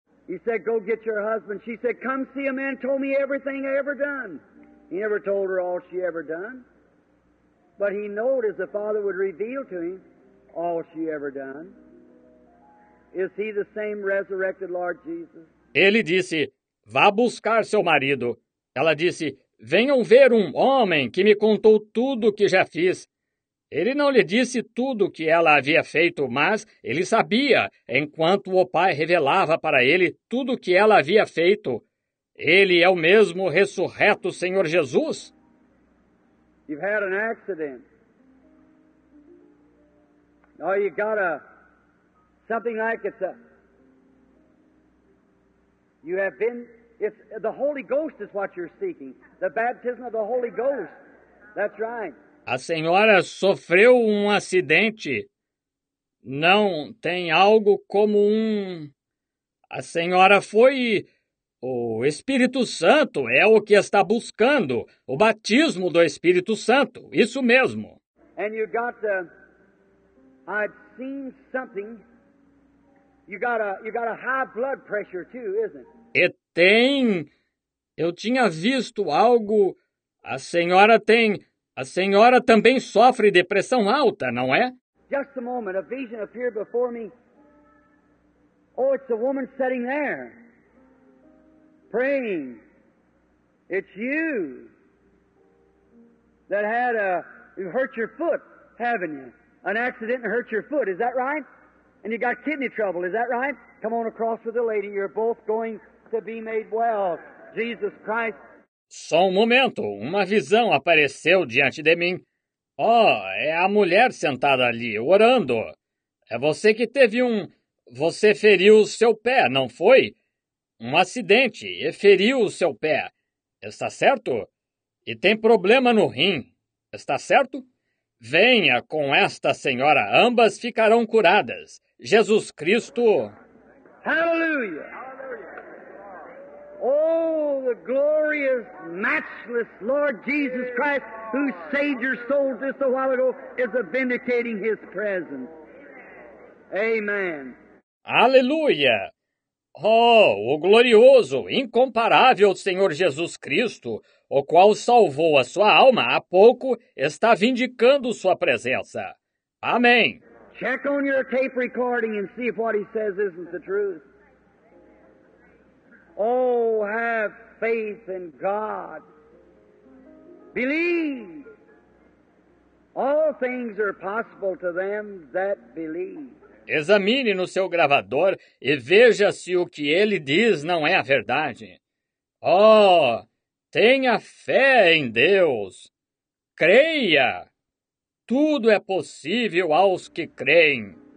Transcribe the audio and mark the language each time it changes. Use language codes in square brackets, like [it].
[en] He said, go get your husband. She said, come see a man, told me everything I ever done. He never told her all she ever done. But he knowed as the Father would reveal to him all she ever done. Is he the same resurrected Lord Jesus? [pt] Ele disse, vá buscar seu marido. Ela disse, venham ver um homem que me contou tudo o que já fiz. Ele não lhe disse tudo o que ela havia feito, mas ele sabia, enquanto o Pai revelava para ele tudo o que ela havia feito. Ele é o mesmo ressurreto Senhor Jesus? [en] You've had an accident. Or you got a something like it's a you have been, it's the Holy Ghost is what you're seeking. The baptism of the Holy Ghost. That's right. [pt] A senhora sofreu um acidente. Não, tem algo como um... A senhora foi... O Espírito Santo é o que está buscando. O batismo do Espírito Santo. Isso mesmo. [en] And you got the... I've seen something. You got a high blood pressure too, isn't it? [pt] E tem, eu tinha visto algo, a senhora tem, a senhora também sofre de pressão alta, não é? [en] Just a moment, a vision appeared before me. Oh, it's a woman sitting there, praying. It's you that had a, you hurt your foot, haven't you? An accident and hurt your foot, is that right? And you got kidney trouble, is that right? Come on across with the lady, you're both going... To be made well, Jesus Christ. [pt] Só um momento, uma visão apareceu diante de mim. Oh, é a mulher sentada ali, orando. É você que teve um... Você feriu o seu pé, não foi? Um acidente e feriu o seu pé. Está certo? E tem problema no rim. Está certo? Venha com esta senhora. Ambas ficarão curadas. Jesus Cristo... Aleluia! [en] Oh, the glorious, matchless Lord Jesus Christ, who saved your soul just a while ago, is a vindicating His presence. Amen. [pt] Aleluia! Oh, o glorioso, incomparável Senhor Jesus Cristo, o qual salvou a sua alma há pouco, está vindicando sua presença. Amém. [en] Check on your tape recording and see if what he says isn't the truth. Oh, have faith in God. Believe. All things are possible to them that believe. [pt] Examine no seu gravador e veja se o que ele diz não é a verdade. Oh, tenha fé em Deus. Creia. Tudo é possível aos que creem.